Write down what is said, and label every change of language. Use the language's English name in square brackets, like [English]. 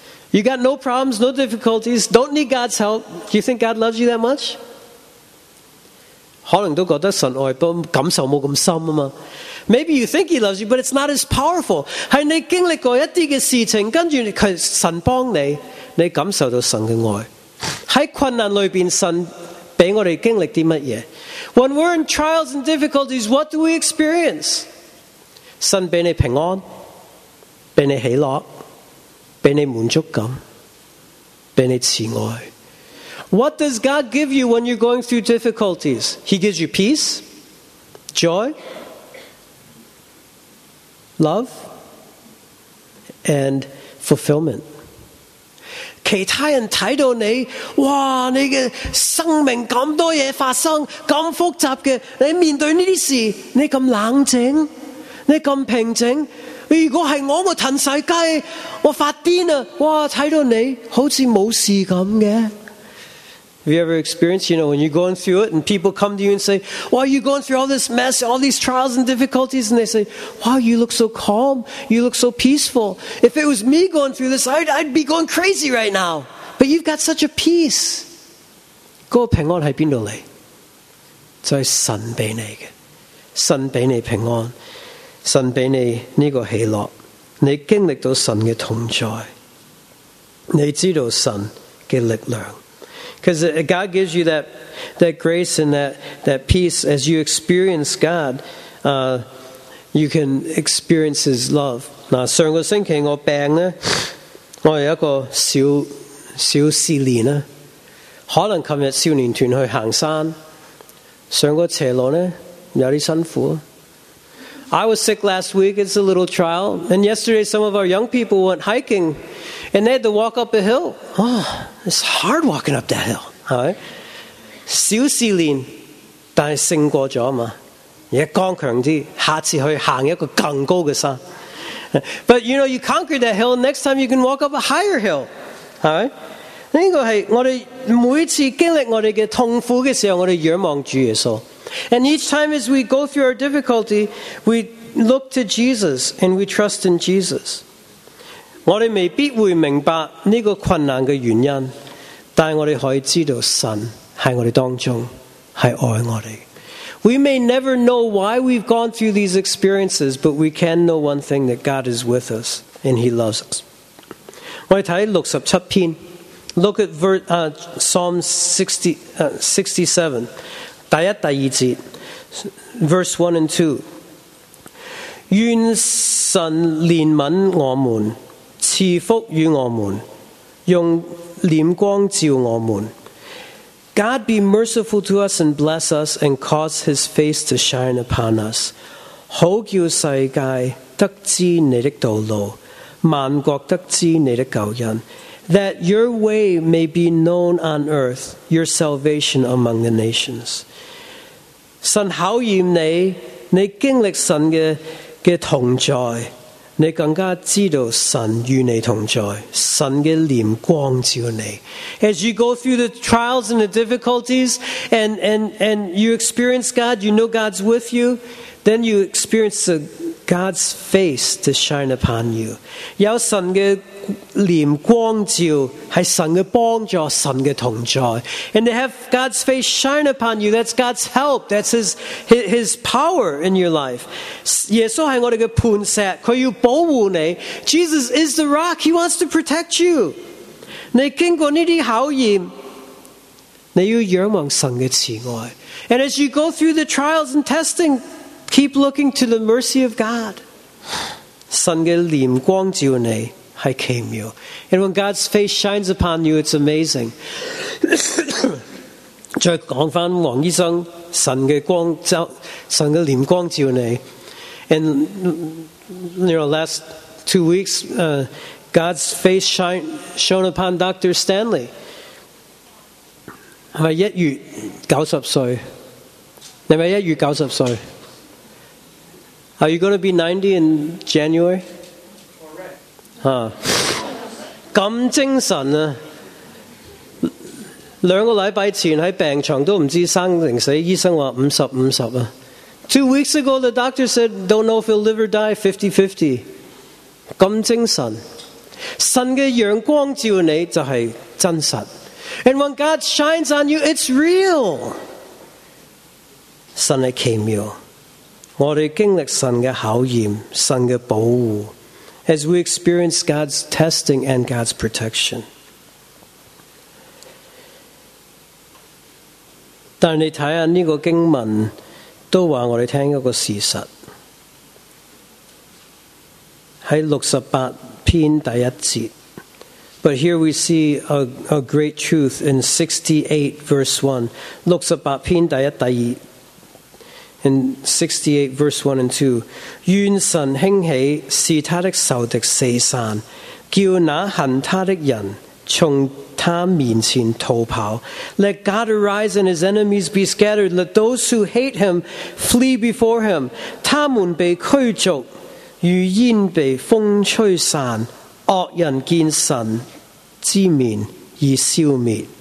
[English] You got no problems, no difficulties, don't need God's help. Do you think God loves you that much? [Cantonese] 可能都觉得神爱，但感受冇咁深嘛。 [English] Maybe you think He loves you, but it's not as powerful. [Cantonese] 是你经历过一啲嘅事情，跟住神帮你，你感受到神嘅爱。喺困难里边，神俾我哋经历啲乜嘢？ [English] When we're in trials and difficulties, what do we experience? [Cantonese] 神俾你平安，俾你喜乐。俾你满足感，俾你慈爱。 [English] What does God give you when you're going through difficulties? He gives you peace, joy, love, and fulfillment. [Cantonese] 其他人睇到你，哇！你嘅生命咁多嘢发生，咁复杂嘅，你面对呢啲事，你咁冷静，你咁平静。如果是我咪腾晒鸡，我发癫啊！哇，睇到你好似冇事咁嘅。 [English] Have you ever experienced, you know, when you're going through it, and people come to you and say, "Why are you going through all this mess, all these trials and difficulties?" And they say, "Wow, you look so calm, you look so peaceful. If it was me going through this, I'd be going crazy right now. But you've got such a peace." [Cantonese] 嗰个平安喺边度嚟？就系神俾你嘅，神俾你平安。神俾你呢个喜乐，你经历到神嘅同在，你知道神嘅力量。 [English] Because God gives you that grace and that peace as you experience God, you can experience His love. [Cantonese] 嗱，上个星期我病咧，我有一个小试炼啦。可能琴日少年团去行山，上个斜路咧有啲辛苦。 [English] I was sick last week, it's a little trial. And yesterday some of our young people went hiking and they had to walk up a hill. Oh, it's hard walking up that hill. Xiu si lin, dai sing guo zhe ma. Ye gong keng di, ha ci hui hang ye ge gang gou ge san. But you know, you conquered that hill, next time you can walk up a higher hill. Right? [Cantonese] 呢个系我哋每次经历我哋嘅痛苦嘅时候，我哋仰望主耶稣。 [English] And each time as we go through our difficulty, we look to Jesus and we trust in Jesus. [Cantonese] 我哋未必会明白呢个困难嘅原因，但我哋可以知道神喺我哋当中，系爱我哋。 [English] We may never know why we've gone through these experiences, but we can know one thing, that God is with us and He loves us. [Cantonese] 我哋睇六十七篇， [English] look at Psalm 67. [Cantonese] 第一、第二节， [English] verse 1 and 2， [Cantonese] 愿神怜悯我们，赐福与我们，用脸光照我们。 [English] God be merciful to us and bless us and cause His face to shine upon us。 [Cantonese] 好叫世界得知你的道路，万国得知你的救恩。 [English] That your way may be known on earth, your salvation among the nations. [Cantonese] 神考验你，你经历神嘅同在，你更加知道神与你同在，神嘅怜光照你。 [English] As you go through the trials and the difficulties, and you experience God, you know God's with you, then you experience God's face to shine upon you. [Cantonese] 有神嘅怜光照，系神嘅帮助，神嘅同在。 [English] And to have God's face shine upon you, that's God's help, that's His power in your life. [Cantonese] 耶稣系我哋嘅磐石，佢要保护你。 [English] Jesus is the rock, He wants to protect you. [Cantonese] 你经过呢啲考验，你要仰望神嘅慈爱。 [English] And as you go through the trials and testing, keep looking to the mercy of God. [Cantonese] 神嘅怜光照你。 [English] I came you. And when God's face shines upon you, it's amazing. [Cantonese] 再讲翻王医生，神嘅怜光照你。 [English] And you know, last 2 weeks, God's face shone upon Dr. Stanley. [Cantonese] 系咪一月九十岁？你咪一月九十岁 [English] ？Are you going to be 90 in January? [Cantonese] 咁精神啊！两个礼拜前喺病床都唔知生定死，医生话五十五十啊。 [English] Two weeks ago, the doctor said, "Don't know if he'll live or die, 50-50." [Cantonese] 咁精神，神嘅阳光照你就系真实。 [English] And when God shines on you, it's real. [Cantonese] 神系奇妙，我哋经历神嘅考验，神嘅保护。 [English] As we experience God's testing and God's protection. [Cantonese] 但你睇下呢个经文，都话我哋听一个事实。喺六十八篇第一节。 [English] But here we see a great truth in 68 verse 1. [Cantonese] 六十八篇第一第二。 [English] In 68 verse 1 and 2, [Cantonese] 愿神兴起使他的仇敌四散，叫那恨他的人从他面前逃跑。 [English] Let God arise and his enemies be scattered. Let those who hate him flee before him. [Cantonese] 他们被驱逐，如烟被风吹散，恶人见神之面已消灭。